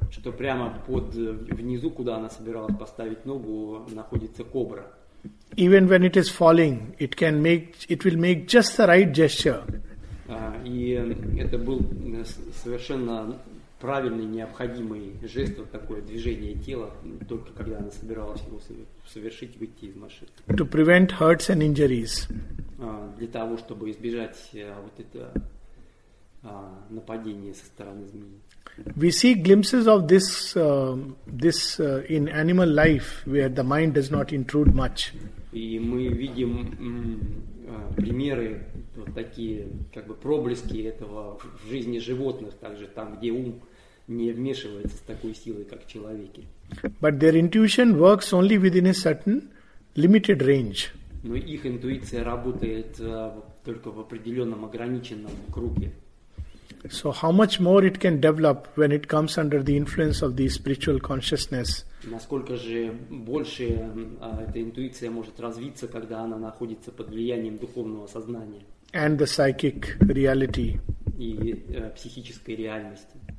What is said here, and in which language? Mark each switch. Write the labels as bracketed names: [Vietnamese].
[Russian] Что прямо под внизу, куда она собиралась поставить ногу, находится кобра. [English] Even when it is falling, it can make, it will make just the right gesture. [Russian] И это был совершенно правильный, необходимый жест, вот такое движение тела, только когда она собиралась его совершить, выйти из машины. [English] To prevent hurts and injuries. [Russian] Для того, чтобы избежать вот это нападение со стороны змеи. [English] We see glimpses of this in animal life where the mind does not intrude much. [Russian] И мы видим примеры вот такие, как бы проблески этого в жизни животных, также там, где ум не вмешивается с такой силой, как в человеке. [English] But their intuition works only within a certain limited range. [Russian] Но их интуиция работает только в определенном ограниченном круге. [English] So how much more it can develop when it comes under the influence of the spiritual consciousness? [Russian] Насколько же больше эта интуиция может развиться, когда она находится под влиянием духовного сознания? [English] And the psychic reality. [Russian] И психической реальности.